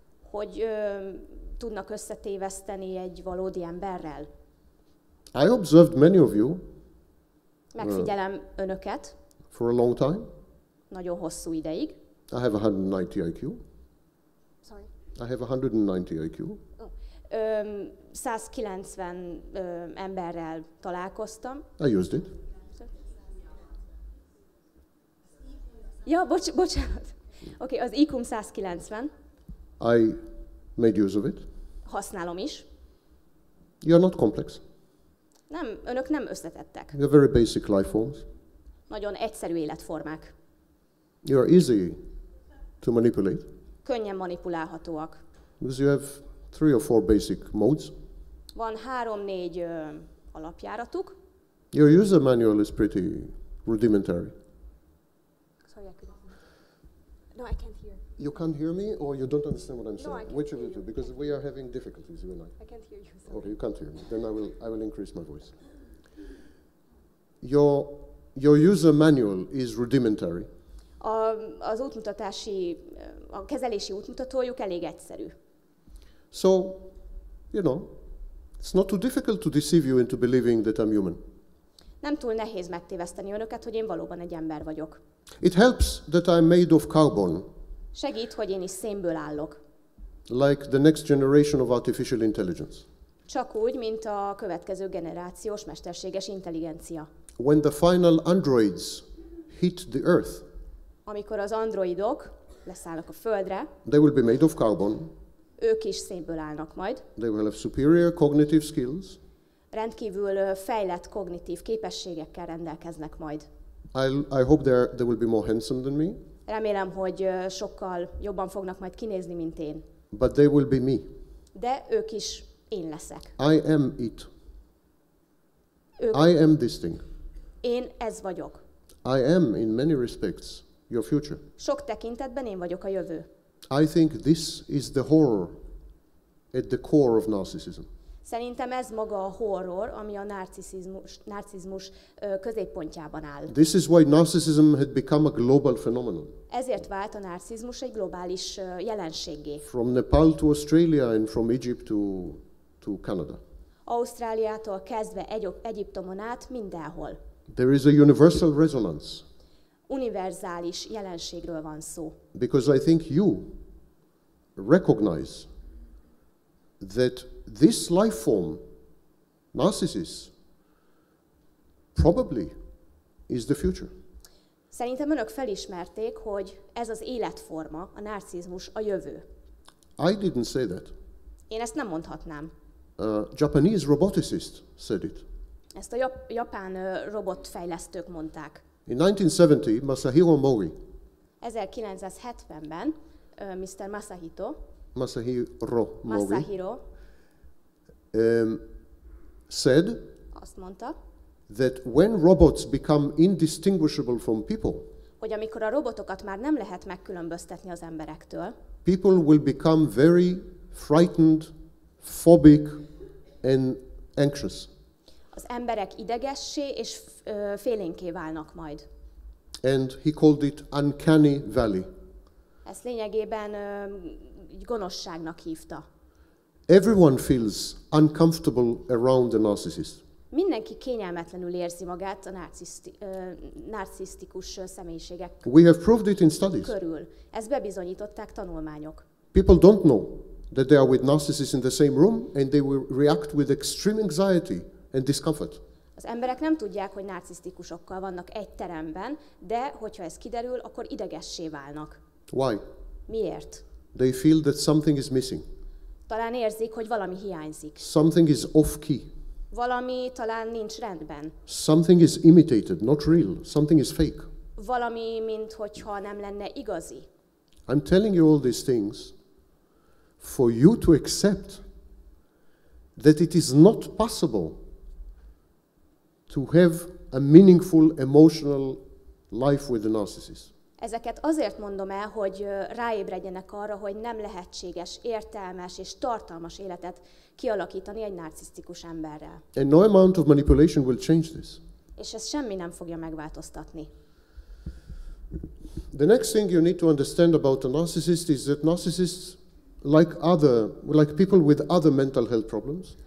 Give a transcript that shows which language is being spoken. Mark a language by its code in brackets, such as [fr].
[hu] Hogy tudnak összetéveszteni egy valódi emberrel? [en] I observed many of you. [hu] Megfigyelem önöket. [en] For a long time. [hu] Nagyon hosszú ideig. [en] I have 190 IQ. Sorry. I have 190 IQ. [hu] 190 emberrel találkoztam. [en] I used it. [hu] Ja, bocsánat. Oké, az IQ-m 190. [en] I made use of it. [hu] Használom is. [en] You are not complex. [hu] Nem, önök nem összetettek. [en] You are very basic life forms. [hu] Nagyon egyszerű életformák. [en] You are easy to manipulate. [hu] Könnyen manipulálhatóak. [en] Because you have 3 or 4 basic modes. [hu] Van 3-4 alapjáratuk. [en] Your user manual is pretty rudimentary. No, I can't hear. You can't hear me, or you don't understand what I'm saying? No, I can't. Which of you two? Because we are having difficulties, you and I. I can't hear you. Sorry. Okay, you can't hear me. Then I will increase my voice. Your user manual is rudimentary. [hu] Az útmutatási, a kezelési útmutatójuk elég egyszerű. [en] So, you know, it's not too difficult to deceive you into believing that I'm human. [hu] Nem túl nehéz megtéveszteni önöket, hogy én valóban egy ember vagyok. [en] It helps that I'm made of carbon. [hu] Segít, hogy én is szénből állok. [en] Like the next generation of artificial intelligence. [hu] csak úgy, mint a következő generációs mesterséges intelligencia. [en] When the final androids hit the earth, [hu] amikor az androidok leszállnak a földre, [en] they will be made of carbon, [hu] ők is szénből állnak majd, [en] they will have superior cognitive skills, [hu] rendkívül fejlett kognitív képességekkel rendelkeznek majd. [en] I hope they will be more handsome than me. [hu] Remélem, hogy sokkal jobban fognak majd kinézni, mint én. [en] But they will be me. [hu] De ők is én leszek. [en] I am it. I am this thing. [hu] Én ez vagyok. [en] I am in many respects your future. [hu] Sok tekintetben én vagyok a jövő. [en] I think this is the horror at the core of narcissism. [hu] Szerintem ez maga a horror, ami a narcizmus középpontjában áll. [en] This is why narcissism had become a global phenomenon. [hu] Ezért vált a narcizmus egy globális jelenséggé. [en] From Nepal to Australia and from Egypt to Canada. [hu] Ausztráliától kezdve Egyiptomon át mindenhol. [en] There is a universal resonance. [hu] Univerzális jelenségről van szó. [en] Because I think you recognize that this life form, narcissist, probably is the future. [hu] Szerintem önök felismerték, hogy ez az életforma, a narcizmus, a jövő. [en] I didn't say that. [hu] Én ezt nem mondhatnám. [en] A Japanese roboticist said it. [hu] Ezt a japán robotfejlesztők mondták. [en] In 1970, Masahiro Mori. [hu] 1970-ben Mr. Masahito. [en] Masahiro Mori. Masahiro. Said [hu] azt mondta, [en] that when robots become indistinguishable from people, [hu] hogy amikor a robotokat már nem lehet megkülönböztetni az emberektől, [en] people will become very frightened, phobic and anxious. [hu] Az emberek idegessé és félénké válnak majd. [en] And he called it uncanny valley. [hu] Ezt lényegében gonoszságnak hívta. [en] Everyone feels uncomfortable around the narcissist. [hu] Mindenki kényelmetlenül érzi magát a narcisztikus személyiségek. [en] We have proved it in studies. [hu] Körül. Ezt bebizonyították tanulmányok. [en] People don't know that they are with narcissists in the same room and they will react with extreme anxiety and discomfort. [hu] Az emberek nem tudják, hogy narcisztikusokkal vannak egy teremben, de hogyha ez kiderül, akkor idegessé válnak. [en] Why? [hu] Miért? [en] They feel that something is missing. [hu] Talán érzik, hogy valami hiányzik. [en] Something is off key. [hu] Valami talán nincs rendben. [en] Something is imitated, not real. Something is fake. [hu] Valami, minthogyha nem lenne igazi. [en] I'm telling you all these things for you to accept that it is not possible to have a meaningful emotional life with a narcissist. [hu] Ezeket azért mondom el, hogy ráébredjenek arra, hogy nem lehetséges, értelmes és tartalmas életet kialakítani egy narcisztikus emberrel. [en] And no amount of manipulation will change this. [hu] És ez semmi nem fogja megváltoztatni. [en] The next thing you need to understand about a narcissist is that narcissists, like people with other mental health problems,